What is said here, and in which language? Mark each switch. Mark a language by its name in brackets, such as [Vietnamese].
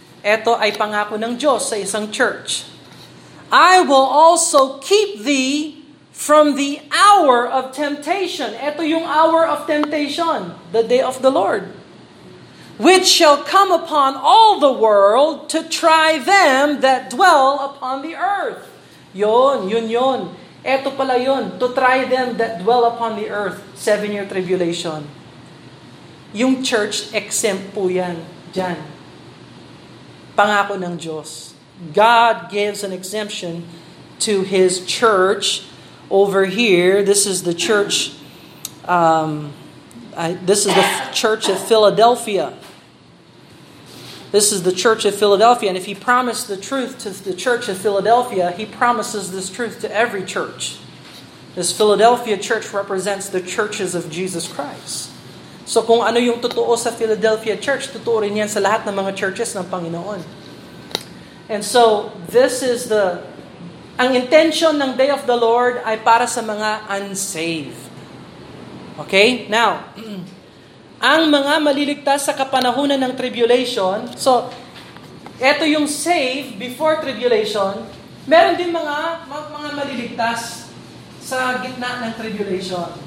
[Filipino] Ito ay pangako ng Diyos sa isang church. [English] "I will also keep thee from the hour of temptation." Ito yung hour of temptation, the Day of the Lord. "Which shall come upon all the world to try them that dwell upon the earth." [Filipino] Yun. Ito pala yun. [English] To try them that dwell upon the earth. 7-year tribulation. [Filipino] Yung church exempt po yan. Dyan. Pangako ng Diyos. [English] God gives an exemption to His church over here. This is the church this is the church at Philadelphia. This is the church of Philadelphia, and if he promised the truth to the church of Philadelphia, he promises this truth to every church. This Philadelphia church represents the churches of Jesus Christ. [Filipino] So kung ano yung totoo sa Philadelphia church, totoo rin yan sa lahat ng mga churches ng Panginoon. [English] And so this is the ang intention ng Day of the Lord [Filipino] ay para sa mga [English] unsaved. Okay? [Filipino] Now, ang mga maliligtas sa kapanahunan ng tribulation, so, eto yung [English] save before tribulation, [Filipino] meron din mga maliligtas sa gitna ng tribulation.